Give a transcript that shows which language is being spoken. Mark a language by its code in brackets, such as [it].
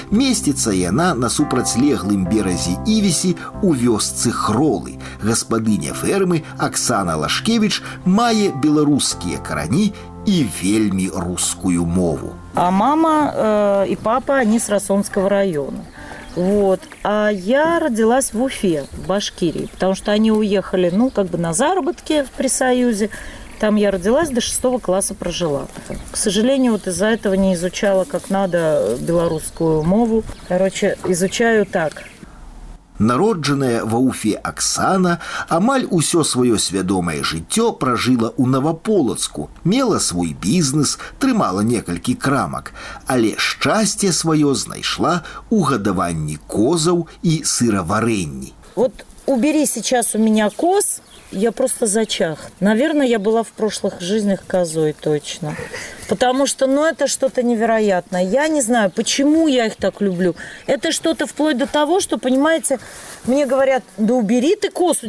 [be] Месціцца яна на супрацьлеглым беразе Івісі ў вёсцы Хролы. Гаспадыня фермы Аксана Лашкевіч мае беларускія карані і вельмі рускую мову. А мама і папа не з Расонскага района. [ru] Вот. А я родилась в Уфе, в Башкирии, потому что они уехали, ну, как бы на заработки при Союзе. Там я родилась, до 6 класса прожила. К сожалению, вот из-за этого не изучала как надо белорусскую мову. Короче, изучаю так. [be] Народжаная ва Уфе Оксана амаль усё сваё свядомае жыццё пражыла ў Наваполацку, мела свой бізнес, трымала некалькі крамак, але шчасце сваё знайшла ў гадаванні козаў і сыраварэнні. [ru] Вот убери сейчас у меня коз, я просто зачах. Наверное, я была в прошлых жизнях козой точно. Потому что, ну, это что-то невероятное. Я не знаю, почему я их так люблю. Это что-то вплоть до того, что, понимаете, мне говорят, да убери ты коз.